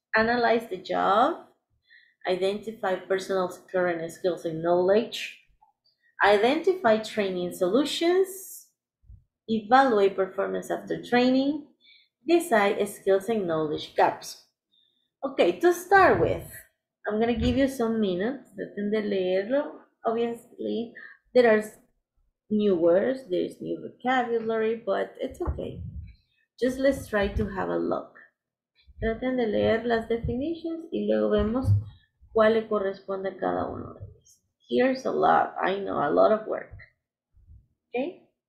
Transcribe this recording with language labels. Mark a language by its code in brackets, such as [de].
[en] Analyze the job, identify personnel's current skills and knowledge, identify training solutions, evaluate performance after training, decide skills and knowledge gaps. Okay, to start with, I'm gonna give you some minutes. [es] Traten de leerlo. [en] Obviously, there are new words, there's new vocabulary, but it's okay. Just let's try to have a look. [es] Traten de leer las definiciones y luego vemos cuál le corresponde a cada uno. [en] Here's a lot, I know, a lot of work, okay?